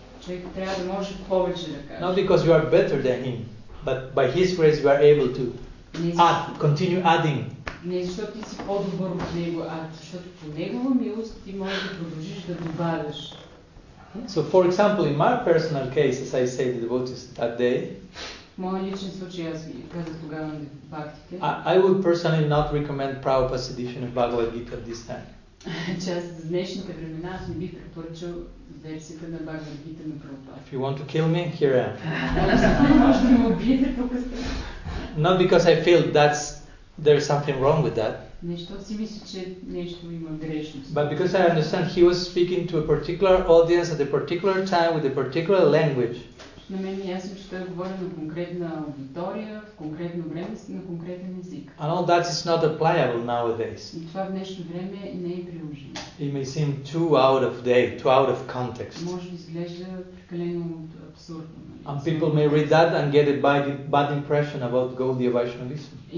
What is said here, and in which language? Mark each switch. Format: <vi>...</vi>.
<bg>Човек трябва да може повече да каже.</bg> <en>Not because you are better than him, but by his grace we are able to add, continue adding.</en> <bg>Не защото ти си по-добър от него, а защото по негова милост ти можеш да продължиш да добавяш.</bg> <en>So for example, in my personal case, as I said to the devotees that day,</en> <bg>моя личен случай, аз ви казах тогава на фактите,</bg> <en>I would personally not recommend Prabhupada's edition of Bhagavad Gita at this time.</en> <bg>Част за днешните времена аз не бих препоръчал версията на Бхагавад Гита на Прабхупада.</bg> <en>If you want to kill me, here I am.</en> <bg>Може да ме убиете, тук сте.</bg> <en>Not because I feel that's there's something wrong with that.</en> <bg>Не, защото си мисля, че нещо има грешност.</bg> <en>But because I understand he was speaking to a particular audience at a particular time with a particular language.</en> <bg>На мен е ясно, че той говори на конкретна аудитория, в конкретно време, на конкретен език.</bg> <en>And all that is not applicable nowadays.</en> <bg>И това в днешно време не е приложимо.</bg> <en>It may seem too out of date, too out of context.</en> <bg>Може да изглежда прекалено абсурдно.</bg> <en>And people may read that and get a bad impression about Gaudiya Vaishnavism.</en>